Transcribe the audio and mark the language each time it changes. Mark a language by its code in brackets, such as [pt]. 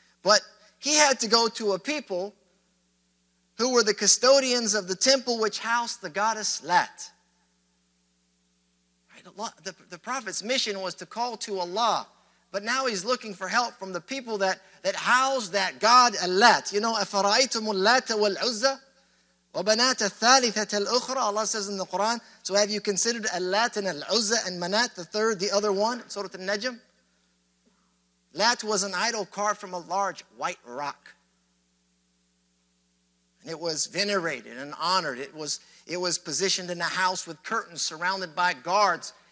[en] But he had to go to a people who were the custodians of the temple which housed the goddess Lat. The Prophet's mission was to call to Allah. But now he's looking for help from the people that house that god Lat. You know, [ar] أَفَرَأَيْتُمُ اللَّاتَ وَالْعُزَّةَ وَبَنَاتَ الثَّالِثَةَ الْأُخْرَى. [en] Allah says in the Quran, so have you considered Al-Lat and Al-Uzza and Manat, the third, the other one? Surah Al-Najm. Lat was an idol carved from a large white rock. And it was venerated and honored. It was positioned in a house with curtains surrounded by guards.